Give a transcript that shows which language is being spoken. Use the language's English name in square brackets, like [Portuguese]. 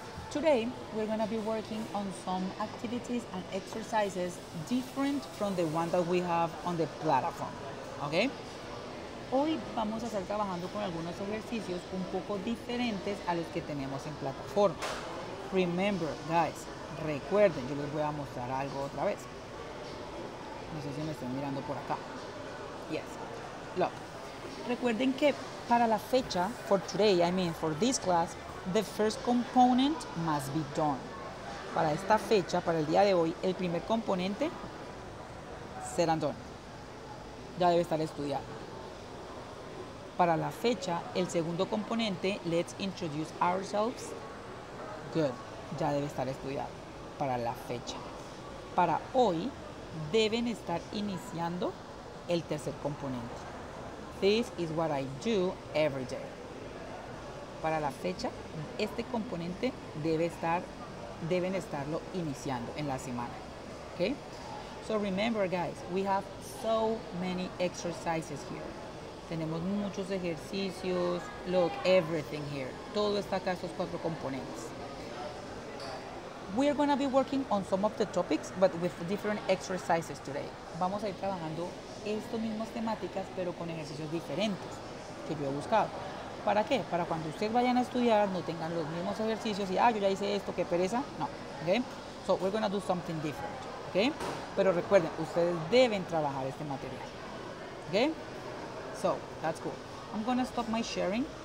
[English] Today, we're going to be working on some activities and exercises different from the one that we have on the platform. Okay? [Spanish] Hoy vamos a estar trabajando con algunos ejercicios un poco diferentes a los que tenemos en plataforma. [English] Remember, guys, [Spanish] recuerden, yo les voy a mostrar algo otra vez. No sé si me estoy mirando por acá. [English] Yes. Look. [Spanish] Recuerden que para la fecha, [English] for today, I mean for this class, the first component must be done. [Spanish] para esta fecha, para el día de hoy, el primer componente será Andrón. Ya debe estar estudiado. Para la fecha, el segundo componente, [English] let's introduce ourselves. Good. [Spanish] Ya debe estar estudiado. Para la fecha. Para hoy, deben estar iniciando el tercer componente. [English] This is what I do every day. [Spanish] Para la fecha, este componente deben estarlo iniciando en la semana. [English] Okay? So remember, guys, we have so many exercises here. [Spanish] Tenemos muchos ejercicios. [English] Look, everything here. [Spanish] Todo está acá, estos cuatro componentes. [English] We are going to be working on some of the topics, but with different exercises today. [Spanish] Vamos a ir trabajando estas mismas temáticas, pero con ejercicios diferentes que yo he buscado. ¿Para qué? Para cuando ustedes vayan a estudiar, no tengan los mismos ejercicios y, yo ya hice esto, qué pereza. [English] No, okay? So we're going to do something different, okay? [Spanish] Pero recuerden, ustedes deben trabajar este material, [English] okay? So, that's cool. I'm going to stop my sharing.